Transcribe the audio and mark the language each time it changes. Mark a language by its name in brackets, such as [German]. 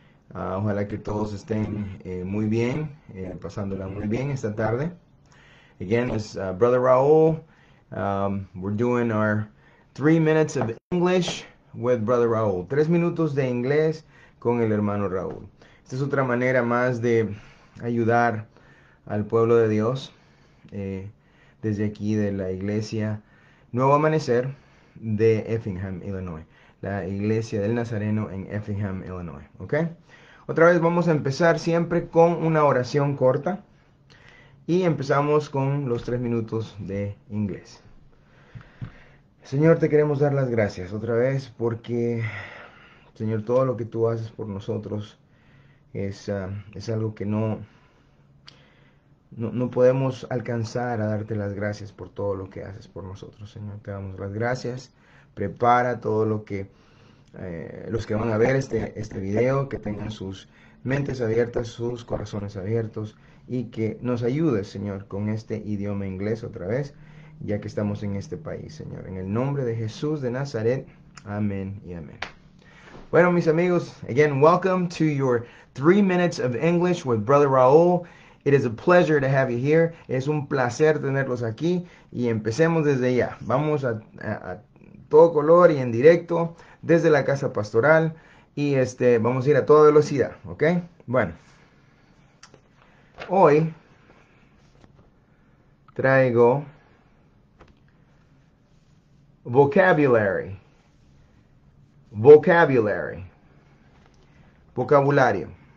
[Spanish] Ojalá que todos estén muy bien, pasándola muy bien esta tarde. [English] Again, it's Brother Raúl. We're doing our 3 minutes of English with Brother Raúl. [Spanish] 3 minutos de inglés con el hermano Raúl. Esta es otra manera más de ayudar al pueblo de Dios desde aquí de la iglesia Nuevo Amanecer de Effingham, Illinois, la iglesia del Nazareno en Effingham, Illinois. ¿Ok? Otra vez vamos a empezar siempre con una oración corta y empezamos con los 3 minutos de inglés. Señor, te queremos dar las gracias otra vez porque, Señor, todo lo que tú haces por nosotros es algo que no podemos alcanzar a darte las gracias por todo lo que haces por nosotros, Señor. Te damos las gracias. Prepara todo lo que los que van a ver este video, que tengan sus mentes abiertas, sus corazones abiertos y que nos ayudes, Señor, con este idioma inglés otra vez, ya que estamos en este país, Señor. En el nombre de Jesús de Nazaret, amén y amén. Bueno, mis amigos, [English] again, welcome to your 3 minutes of English with Brother Raúl. It is a pleasure to have you here. [Spanish] Es un placer tenerlos aquí y empecemos desde ya. Vamos a todo color y en directo desde la casa pastoral y vamos a ir a toda velocidad, ¿ok? Bueno, hoy traigo [English] vocabulary, vocabulary, [Spanish] vocabulario.